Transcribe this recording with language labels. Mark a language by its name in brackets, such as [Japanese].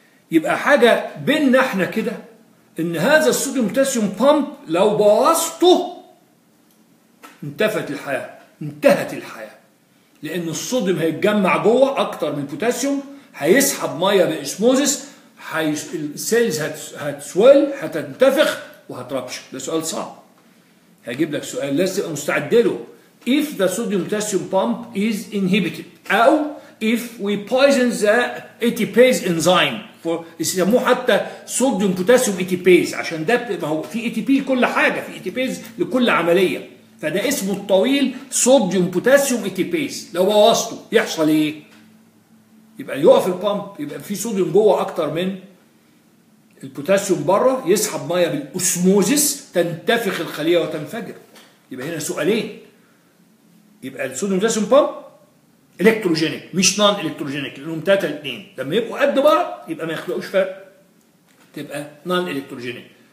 [Arabic] يبقى حاجه بيننا احنا كده ان هذا الصوديوم بوتاسيوم بامب لو بوظته انتفت الحياه، انتهت الحياه، لان الصوديوم هيتجمع جوه اكتر من البوتاسيوم، هيسحب ميه باسموزيس، السيلز هتسويل هتنتفخ وهتربش. ده سؤال صعب، هجيب لك سؤال لازم تبقى مستعد له. [English] If the sodium potassium pump is inhibited أو if we poison the ATPase enzyme for [Arabic] يسموه حتى [English] sodium potassium ATPase، [Arabic] عشان ده ما هو في [English] ATP [Arabic] لكل حاجة، في [English] ATPase [Arabic] لكل عملية، فده اسمه الطويل [English] sodium potassium ATPase. [Arabic] لو بوظته يحصل ايه؟ يبقى يقف البامب، يبقى في صوديوم جوه اكتر من البوتاسيوم بره، يسحب ميه بالاسموزيس، تنتفخ الخليه وتنفجر. يبقى هنا سؤالين، يبقى الصوديوم بوتاسيوم بامب الكتروجينيك مش نون الكتروجينيك، لانهم 3-2، لما يبقوا قد بعض يبقى ما يخلقوش فرق، تبقى نون الكتروجينيك.